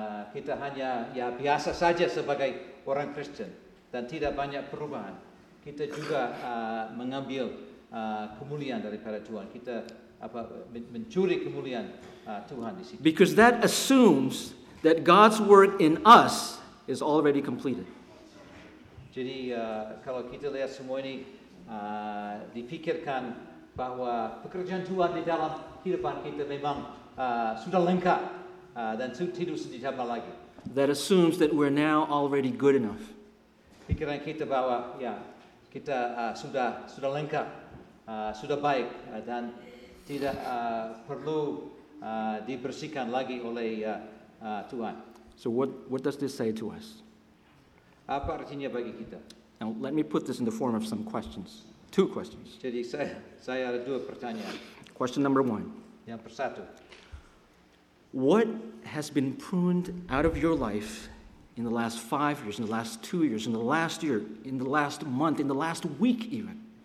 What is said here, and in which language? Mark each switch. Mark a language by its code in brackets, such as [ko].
[id] Kita hanya ya biasa saja sebagai orang Kristen dan tidak banyak perubahan. Kita juga mengambil kemuliaan daripada Tuhan. Kita apa mencuri kemuliaan Tuhan di sini. [en] Because that assumes that God's work in us is already completed. [id] Jadi kalau kita lihat semua ini dipikirkan bahwa pekerjaan Tuhan di dalam kehidupan kita memang sudah lengkap dan tidak usah ditambah lagi. [en] That assumes that we're now already good enough. [id] Pikiran kita bahwa ya kita sudah lengkap, sudah baik dan tidak perlu dibersihkan lagi oleh Tuhan. [en] So what does this say to us? [id] Apa artinya bagi kita? [en] Now let me put this in the form of some questions. Two questions. [id] Jadi saya ada dua pertanyaan. [en] Question number one. [id] Yang persatu. [en] What has been pruned out of your life in the last 5 years, in the last 2 years, in the last year, in the last month, in the last week even?